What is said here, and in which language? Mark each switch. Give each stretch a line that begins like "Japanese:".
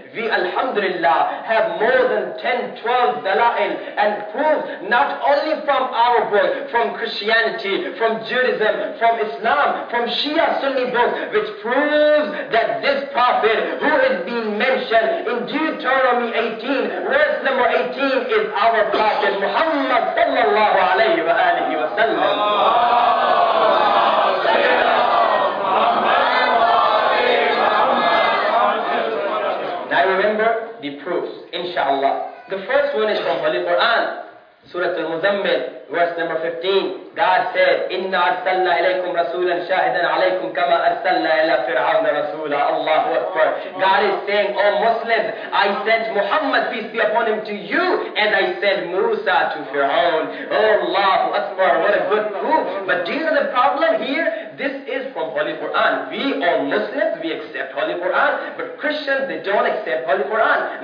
English: We, alhamdulillah, have more than 10, 12 dala'il and proof, not only from our book, from Christianity, from Judaism, from Islam, from Shia Sunni books, which proves that this prophet who is being mentioned in Deuteronomy 18, verse number 18, is our prophet Muhammad sallallahu alayhi wa alihi wa sallam. The proofs, inshallah. The first one is from Holy Quran, Surah Al-Muzammil, verse number 15, God said,
Arabic: إِنَّا أَرْسَلْنَا إِلَيْكُمْ رَسُولًا شَاهِدًا عَلَيْكُمْ كَمَا أَرْسَلْنَا إِلَى فِرْعَوْنَ رَسُولًا. Allahu Akbar.
English: God is saying, O Muslim, I sent Muhammad, peace be upon him, to you, and I sent Musa to Fir'aun. Oh Allahu Akbar, what a good proof. But do you know the problem here? This is from Holy Quran. We all Muslims, we accept Holy Quran, but Christians, they don't accept Holy Quran.